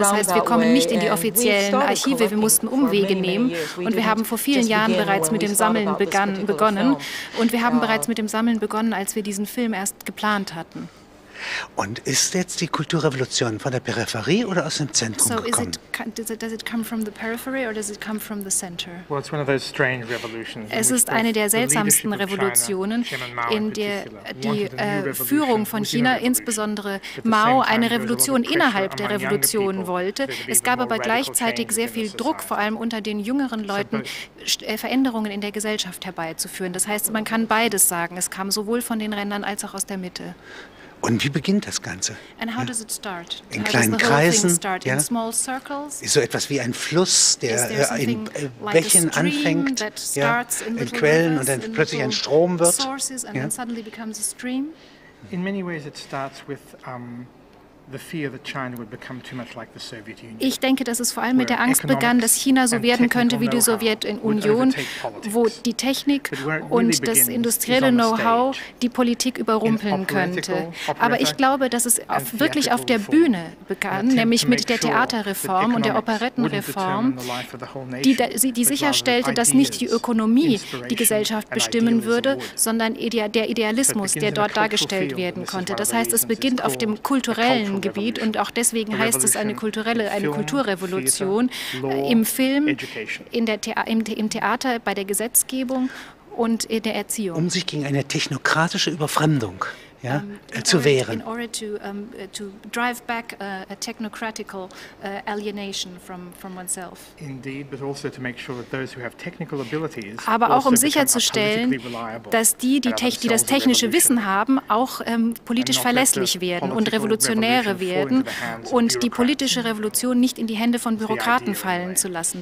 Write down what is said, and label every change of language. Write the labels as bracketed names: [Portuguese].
[German] Das heißt, wir kommen nicht in die offiziellen Archive. Wir mussten Umwege nehmen. Und wir haben vor vielen Jahren bereits mit dem Sammeln begonnen. Und wir haben bereits mit dem Sammeln begonnen, als wir diesen Film erst geplant hatten. Und ist jetzt die Kulturrevolution von der Peripherie oder aus dem Zentrum gekommen? [English] So, does it come from the periphery or does it come from the center? Well, it's one of those strange revolutions. [German] Es ist eine der seltsamsten Revolutionen, in der die Führung von China, insbesondere Mao, eine Revolution innerhalb der Revolution wollte. Es gab aber gleichzeitig sehr viel Druck, vor allem unter den jüngeren Leuten, Veränderungen in der Gesellschaft herbeizuführen. Das heißt, man kann beides sagen. Es kam sowohl von den Rändern als auch aus der Mitte. Und wie beginnt das Ganze? [English] And how does it start? [German] In kleinen Kreisen, [English] ja? In small circles? [German] Ist so etwas wie ein Fluss, der in Bächen [English] like [German] anfängt, ja? In Quellen und dann plötzlich ein Strom wird. [English] And ja? Then suddenly becomes a stream. In many ways it starts with the fear that China would become too much like the Soviet Union. [German] Ich denke, dass es vor allem mit der Angst begann, dass China so werden könnte wie die Sowjetunion, wo die Technik und das industrielle Know-how die Politik überrumpeln könnte. Aber ich glaube, dass es wirklich auf der Bühne begann, nämlich mit der Theaterreform und der Operettenreform, die sicherstellte, dass nicht die Ökonomie die Gesellschaft bestimmen würde, sondern der Idealismus, der dort dargestellt werden konnte. Das heißt, es beginnt auf dem kulturellen Gebiet und auch deswegen heißt es eine Kulturrevolution im Film, im Theater, bei der Gesetzgebung und in der Erziehung. Um sich gegen eine technokratische Überfremdung ja, zu wehren. [English] In order to drive back a technocratical alienation from oneself. Indeed, but also to make sure that those who have technical abilities. [German] Aber auch um sicherzustellen, dass die das technische Wissen haben, auch politisch verlässlich werden und revolutionäre werden und die politische Revolution nicht in die Hände von Bürokraten fallen zu lassen.